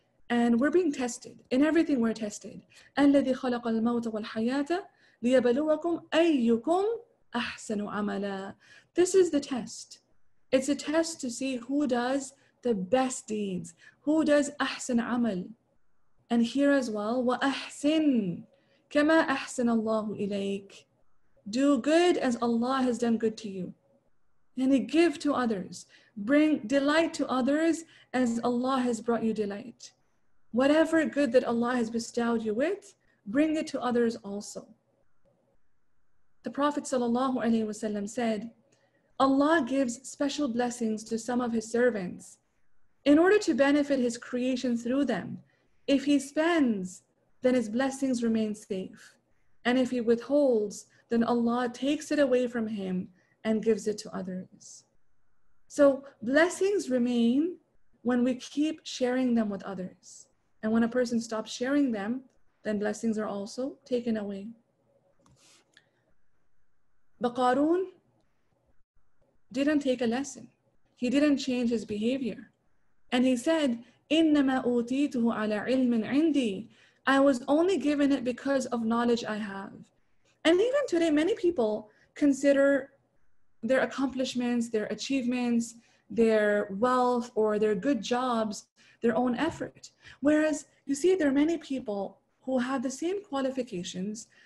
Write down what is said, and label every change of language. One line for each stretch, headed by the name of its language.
English: And we're being tested. In everything we're tested.
Arabic: الَّذِي خَلَقَ الْمَوْتَ وَالْحَيَاةَ لِيَبَلُوَكُمْ أَيُّكُمْ أَحْسَنُ عَمَلًا.
English: This is the test. It's a test to see who does the best deeds. Who does
Arabic: أحسن عمل.
English: And here as well,
Arabic: وَأَحْسِنْ كَمَا أَحْسَنَ اللَّهُ إِلَيْكَ.
English: Do good as Allah has done good to you. And give to others. Bring delight to others as Allah has brought you delight. Whatever good that Allah has bestowed you with, bring it to others also. The Prophet ﷺ said, Allah gives special blessings to some of his servants in order to benefit his creation through them. If he spends, then his blessings remain safe. And if he withholds, then Allah takes it away from him and gives it to others. So blessings remain when we keep sharing them with others. And when a person stops sharing them, then blessings are also taken away. But Qarun didn't take a lesson. He didn't change his behavior. And he said,
Arabic: إِنَّمَا أُوتِيتُهُ عَلَىٰ عِلْمٍ عِنْدِي.
English: I was only given it because of knowledge I have. And even today, many people consider their accomplishments, their achievements, their wealth, or their good jobs, their own effort. Whereas, you see, there are many people who have the same qualifications